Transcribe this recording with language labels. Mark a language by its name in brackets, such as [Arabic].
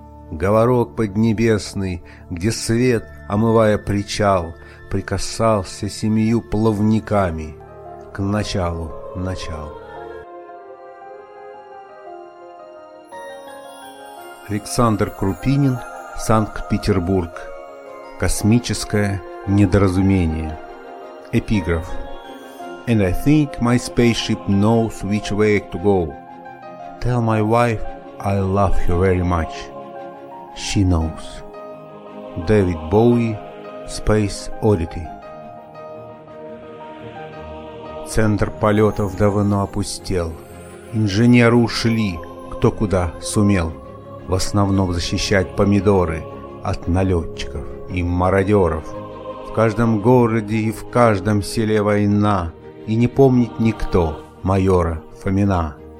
[Russian] Говорок поднебесный, где свет, омывая причал, прикасался семью плавниками к началу начал. Александр Крупинин, Санкт-Петербург. Космическое недоразумение. Эпиграф. [English] And I think my spaceship knows which way to go. Tell my wife I love her very much. She knows. David Bowie, Space Oddity. [Russian] Центр полетов давно опустел. Инженеры ушли, кто куда сумел. В основном защищать помидоры от налетчиков и мародеров. В каждом городе и в каждом селе война, и не помнит никто майора Фомина.